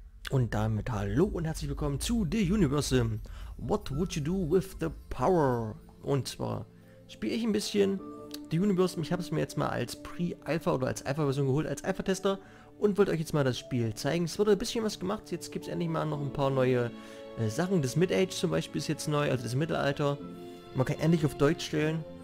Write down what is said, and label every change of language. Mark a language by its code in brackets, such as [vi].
[de] Und damit hallo und herzlich willkommen zu The Universe. [en] What would you do with the power? [de] Und zwar spiele ich ein bisschen The Universe. Ich habe es mir jetzt mal als Pre-Alpha oder als Alpha-Version geholt, als Alpha-Tester. Und wollte euch jetzt mal das Spiel zeigen. Es wurde ein bisschen was gemacht. Jetzt gibt es endlich mal noch ein paar neue Sachen. Das Mid-Age zum Beispiel ist jetzt neu, also das Mittelalter. Man kann endlich auf Deutsch stellen.